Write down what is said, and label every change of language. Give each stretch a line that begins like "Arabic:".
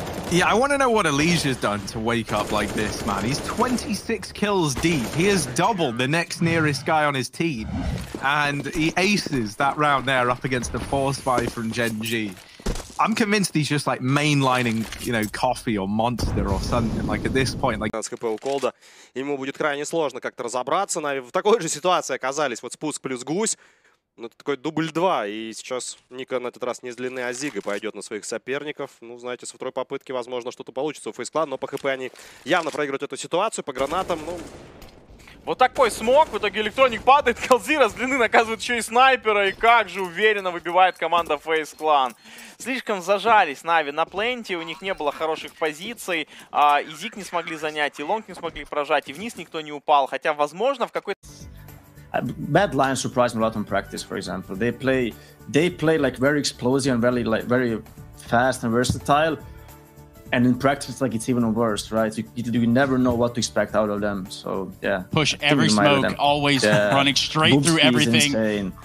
English: Yeah, I want to know what EliGE has done to wake up like this, man. He's 26 kills deep. He has doubled the next nearest guy on his team. And he aces that round there up against the 4-spy from Gen.G. I'm convinced he's just like mainlining, you know, coffee or monster or something. Like at this point, like
Russian: с ХП у Колда, ему будет крайне сложно как-то разобраться. Но в такой же ситуации оказались вот спуск плюс гусь. Ну, это такой дубль 2, и сейчас Ника на этот раз не с длины, а зигой пойдет на своих соперников. Ну, знаете, со второй попытки, возможно, что-то получится у фейс-клана, но по ХП они явно проигрывают эту ситуацию, по гранатам, ну... Вот такой смог, в итоге электроник падает, Калзира с длины наказывает еще и снайпера, и как же уверенно выбивает команда фейс-клан. Слишком зажались Нави на пленте, у них не было хороших позиций, и зиг не смогли занять, и лонг не смогли прожать, и вниз никто не упал, хотя, возможно, в какой-то...
English: Bad Lions surprised me a lot on practice, for example. They play like very explosive and very like very fast and versatile. And in practice, like, it's even worse, right? You never know what to expect out of them. So yeah. Push every smoke, always running straight through everything.